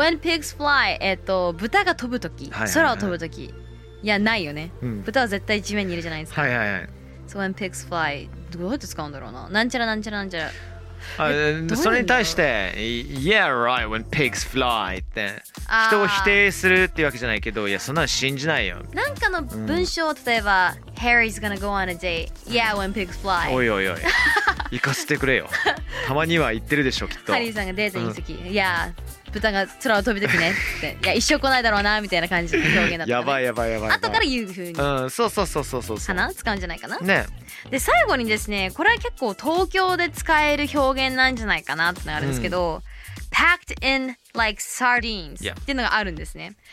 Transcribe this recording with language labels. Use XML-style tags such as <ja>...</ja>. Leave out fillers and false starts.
<ja>When Pigs Fly、 豚が飛ぶとき、空を飛ぶとき、はいはい、いやないよね、うん、豚は絶対地面にいるじゃないですか、はいはいはい、</ja> <en>So when pigs fly、</en> <ja>どうやって使うんだろうな、なんちゃらなんちゃらなんちゃら、それに対して</ja> <en>Yeah right when pigs fly</en> <ja>って人を否定するっていうわけじゃないけど、いやそんなの信じないよ。なんかの文章、うん、例えば</ja> <en>Harry's gonna go on a date、 Yeah when pigs fly、</en> <ja>おいおいおい行かせてくれよ、たまには行ってるでしょきっと。ハリーさんがデートに行くとき、うん、Yeah豚が空を飛びてくねっていや一生来ないだろうなみたいな感じの表現だった、ね、やばいやばいやばい、後から言う風に、うん、そうそうそうそうそうかな、使うんじゃないかなね。で最後にですね、これは結構東京で使える表現なんじゃないかなってのがあるんですけど、うん、</ja> <en>Packed in like sardines、</en> <ja>yeah. っていうのがあるんですね。</ja>